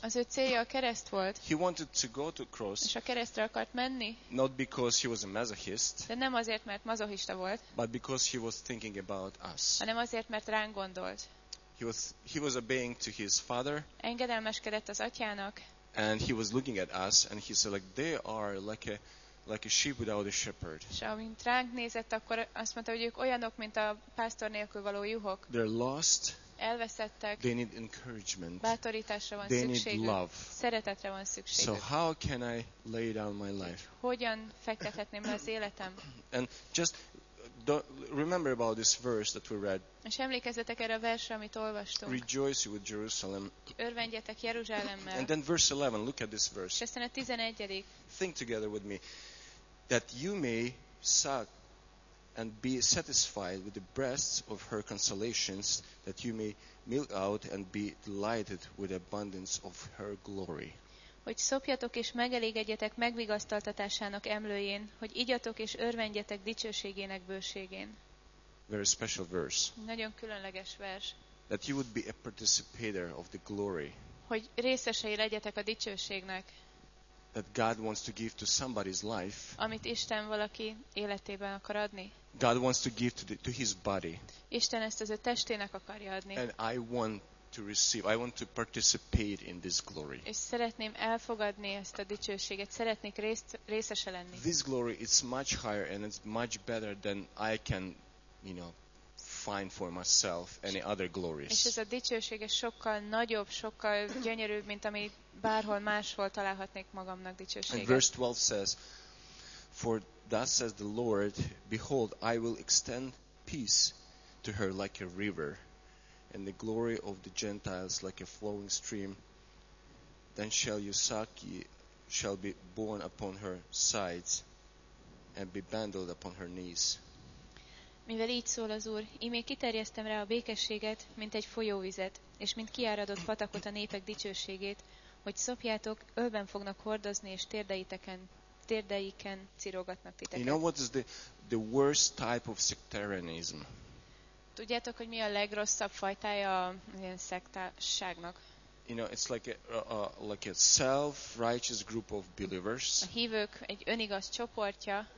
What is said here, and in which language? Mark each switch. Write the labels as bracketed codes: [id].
[hu] Az ő célja a kereszt volt. [en] He wanted to go to cross. [hu] És a keresztre akart menni. [en] Not because he was a masochist. [hu] De nem azért, mert mazohista volt. [en] But because he was thinking about us. [hu] Hanem azért, mert ránk gondolt. [en] He was obeying to his father. [hu] Engedelmeskedett az atyának. [en] And he was looking at us and he said like they are like a sheep without a shepherd. [hu] És amint ránk nézett, akkor azt mondta, hogy ők olyanok, mint a pásztor nélkül való juhok. [en] They're lost. [hu] Elveszettek. [en] They need encouragement. [hu] Bátorításra van [en] they [hu] szükségük. [en] They need love. [hu] Szeretetre van szükségük. [en] So how can I lay down my life? [hu] Hogyan fektethetném le az életem? [en] And just remember about this verse that we read. [hu] És emlékezzetek erre a versre, amit olvastunk. [en] Rejoice with Jerusalem. [hu] Örvendjetek Jeruzsálemmel. [en] And then verse 11, look at this verse. [hu] És a 11. [en] Think together with me that you may suck and be satisfied with the breasts of her consolations, that you may milk out and be delighted with the abundance of her glory. [hu] hogy szopjatok és megelégedjetek megvigasztaltatásának emlőjén, hogy igyatok és örvendjetek dicsőségének bőségén. [en] Very special verse. [hu] Nagyon különleges vers. [en] That you would be a participator of the glory. [hu] Hogy részesei legyetek a dicsőségnek. [en] That God wants to give to somebody's life. [hu] Amit Isten valaki életében akar adni. [en] God wants to give to his body. [hu] Isten ezt az ő testének akarja adni. [en] And I want to receive. I want to participate in this glory. [hu] És szeretném elfogadni ezt a dicsőséget. Szeretnék részese lenni. [en] This glory is much higher and it's much better than I can, you know, find for myself any other glories. [hu] És ez a dicsőség sokkal nagyobb, sokkal gyönyörűbb, mint ami bárhol máshol találhatnék magamnak dicsőséget. [en] And verse 12 says, "For thus says the Lord, behold, I will extend peace to her like a river, and the glory of the Gentiles like a flowing stream. Then shall you suck, ye shall be borne upon her sides, and be bandled upon her knees." [hu] Mivel így szól az Úr, ímé kiterjesztem rá a békességet, mint egy folyóvizet, és mint kiáradott patakot a népek dicsőségét, hogy szopjátok, ölben fognak hordozni, és térdeiken cirogatnak titeket. [en] You know what is the worst type of sectarianism? [hu] Tudjátok, hogy mi a legrosszabb fajtája ilyen szektárságnak? [en] You know, it's like a self-righteous group of believers. [hu] A hívők egy önigaz csoportja.